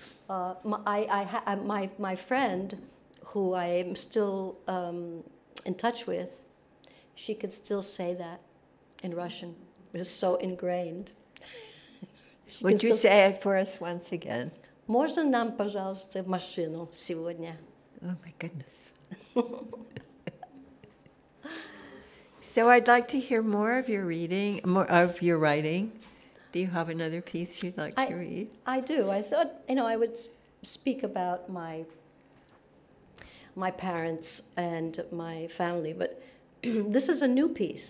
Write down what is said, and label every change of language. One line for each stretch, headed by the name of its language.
English: my friend, who I am still in touch with, she could still say that in Russian. It is so ingrained. Would you say it for us once again?
Russian: Можно нам, пожалуйста, машину сегодня?
English: Oh, my goodness. So I'd like to hear more of your reading, more of your writing. Do you have another piece you'd like to read? I do. I thought, you know, I would speak about my parents and my family, but this is a new piece.